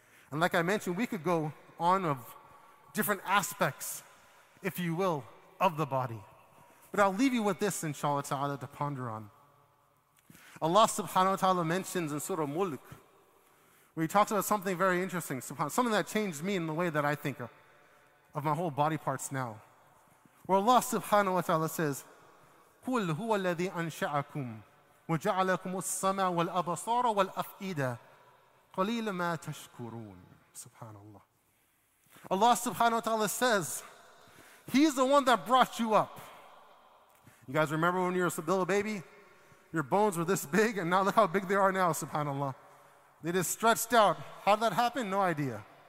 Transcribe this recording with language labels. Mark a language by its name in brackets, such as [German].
[English] And like I mentioned, we could go on of different aspects, if you will, of the body. But I'll leave you with this, inshallah ta'ala, to ponder on. Allah subhanahu wa ta'ala mentions in Surah Mulk, where he talks about something very interesting, something that changed me in the way that I think of my whole body parts now. Where Allah subhanahu wa ta'ala says, [Arabic] قُلْ هُوَ الَّذِي أَنْشَأَكُمْ وَجَعَلَكُمُ السَّمَاءَ وَالْأَبَصَارَ وَالْأَفْئِدَةَ قَلِيلًا مَا تَشْكُرُونَ. [English] Subhanallah. Allah subhanahu wa ta'ala says, He's the one that brought you up. You guys remember when you were a little baby? Your bones were this big, and now look how big they are now, subhanallah. They just stretched out. How did that happen? No idea.